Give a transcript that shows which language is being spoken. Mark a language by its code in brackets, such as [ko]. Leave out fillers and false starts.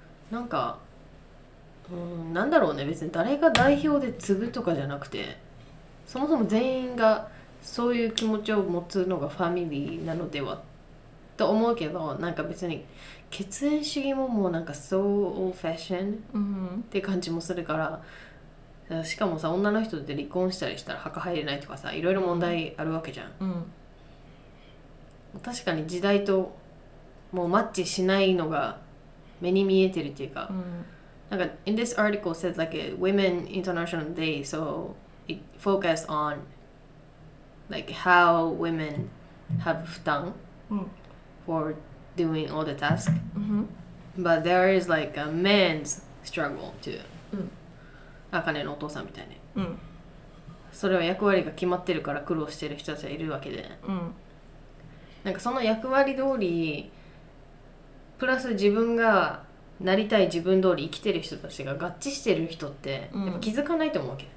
[ja] なんか、なんだろうね、別に誰が代表で継ぐとかじゃなくて、そもそも全員がそういう気持ちを持つのがファミリーなのではと思うけど、なんか別に血縁主義ももうなんか [en] so old fashion [ja] って感じもするから、しかもさ、女の人で離婚したりしたら墓入れないとかさ、いろいろ問題あるわけじゃん、うん、確かに時代ともうマッチしないのが目に見えてるっていうか、うん、 [en] なんか in this article said like women international day so it focused on like how women have 負担、うん、 for doing all the tasks、うん、 but there is like a man's struggle too、うん、 [ja] アカネのお父さんみたいに、うん、それは役割が決まってるから苦労してる人たちがいるわけで、うん、なんかその役割通りプラス自分がなりたい自分通り生きてる人たちが合致してる人ってやっぱ気づかないと思うわけ、